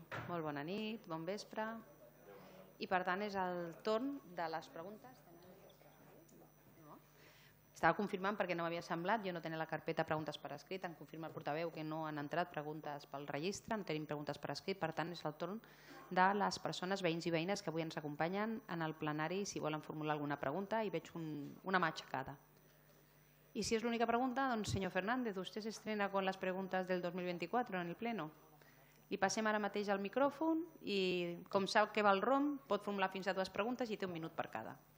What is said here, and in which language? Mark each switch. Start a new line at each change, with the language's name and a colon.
Catalan: Molt bona nit, bon vespre. I per tant, és el torn de les preguntes. No. Estava confirmant perquè no m'havia semblat. Jo no tenia la carpeta preguntes per escrit. Em confirma el portaveu que no han entrat preguntes pel registre. No tenim preguntes per escrit. Per tant, és el torn de les persones, veïns i veïnes, que avui ens acompanyen en el plenari si volen formular alguna pregunta. I veig una mà aixecada.
Spanish: Y si es la única pregunta, don señor Fernández, usted se estrena con las preguntas del 2024 en el Pleno.
Catalan: Li passem ara mateix el micròfon i, com sap que va el ROM, pot formular fins a dues preguntes i té un minut per cada.